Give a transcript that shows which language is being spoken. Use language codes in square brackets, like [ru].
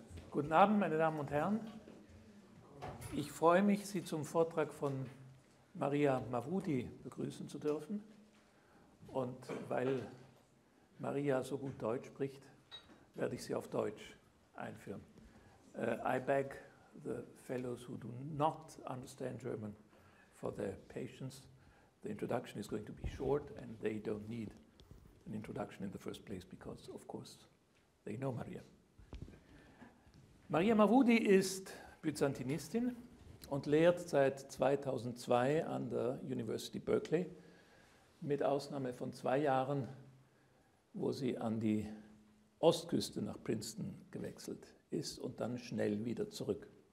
[de] Guten Abend, meine Damen und Herren. Ich freue mich, Sie zum Vortrag von Maria Mavroudi begrüßen zu dürfen. Und weil Maria so gut Deutsch spricht, werde ich sie auf Deutsch einführen. [en] I beg the fellows who do not understand German for their patience. The introduction is going to be short and they don't need an introduction in the first place because, of course, they know Maria. [de] Maria Mavroudi ist Byzantinistin und lehrt seit 2002 an der University Berkeley, mit Ausnahme von 2 Jahren, wo sie an die Ostküste nach Princeton gewechselt ist und dann schnell wieder zurück.